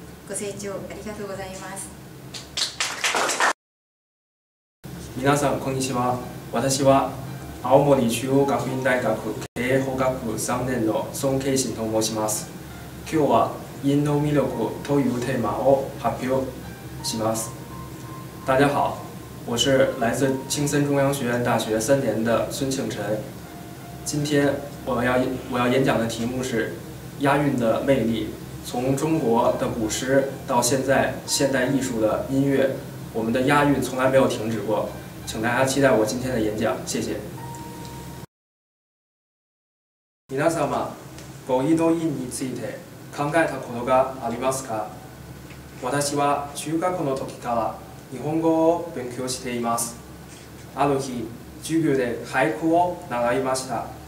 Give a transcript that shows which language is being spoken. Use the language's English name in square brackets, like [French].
[Japanese] ご清聴ありがとうございます。皆さんこんにちは。私は青森中央学院大学経営法学部3年の孫慶信と申します。今日はインド魅力というテーマを発表します。 [Chinese] 大家好，我是来自青森中央学院大学3年的孙庆晨。今天我要演讲的题目是押韵的魅力，从中国的古诗到现在现代艺术的音乐，我们的押韵从来没有停止过，请大家期待我今天的演讲，谢谢。 [Japanese] 皆様、語彙の韻について考えたことがありますか？私は中学の時から日本語を勉強しています。ある日、授業で俳句を習いました。